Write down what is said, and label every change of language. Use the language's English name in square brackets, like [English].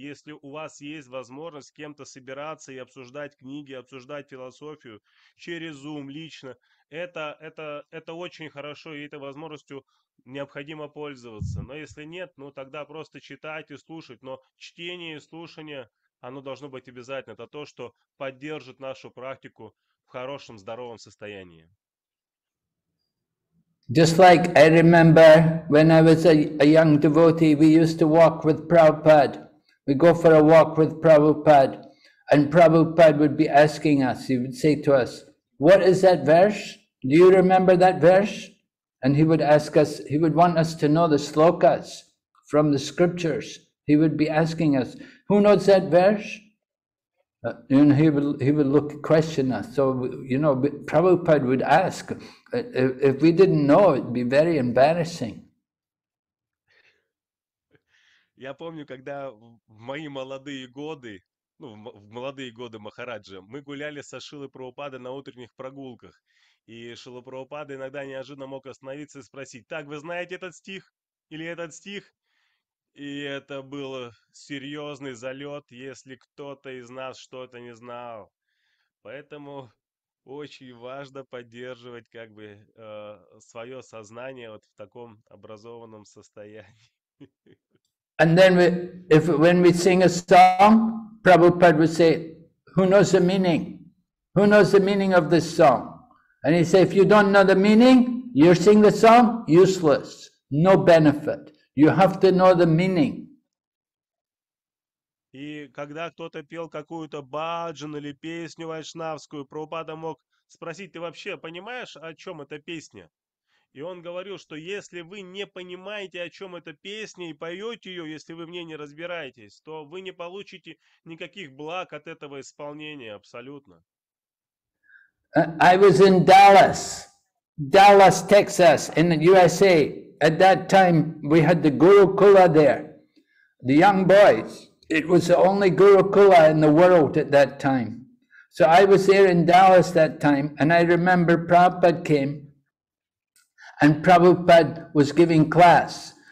[Russian] Если у вас есть возможность с кем-то собираться и обсуждать книги, обсуждать философию через Zoom лично, это очень хорошо, и этой возможностью необходимо пользоваться. Но если нет, ну тогда просто читать и слушать. Но чтение и слушание, оно должно быть обязательно. Это то, что поддержит нашу практику в хорошем, здоровом состоянии. [English] Just like I remember when I was a young devotee, we used to walk with Prabhupada. We go for a walk with Prabhupada, and Prabhupada would be asking us, he would say to us, "What is that verse? Do you remember that verse?" And he would ask us, he would want us to know the slokas from the scriptures. He would be asking us, "Who knows that verse?" And he would look, question us. So, you know, Prabhupada would ask, if we didn't know, it'd be very embarrassing. [Russian] Я помню, когда в мои молодые годы, ну, в молодые годы Махараджа, мы гуляли со Шрилой Прабхупадой на утренних прогулках. И Шрила Прабхупада иногда неожиданно мог остановиться и спросить: "Так, вы знаете этот стих или этот стих?" И это был серьезный залет, если кто-то из нас что-то не знал. Поэтому очень важно поддерживать как бы свое сознание вот в таком образованном состоянии. [English] And then when we sing a song, Prabhupada would say, "Who knows the meaning? Who knows the meaning of this song?" And he'd say, "If you don't know the meaning, you sing the song, useless, no benefit. You have to know the meaning." [Russian] И когда кто-то пел какую-то баджан или песню вайшнавскую, Прабхупада мог спросить: "Ты вообще понимаешь, о чем эта песня?" И он говорил, что если вы не понимаете, о чем эта песня, и поете ее, если вы в ней не разбираетесь, то вы не получите никаких благ от этого исполнения абсолютно. [English] I was in Dallas, Texas, in the USA. At that time, we had the Gurukula there, the young boys. It was the only Gurukula in the world at that time. So I was there in Dallas that time, and I remember Prabhupada came, and Prabhupada was giving class.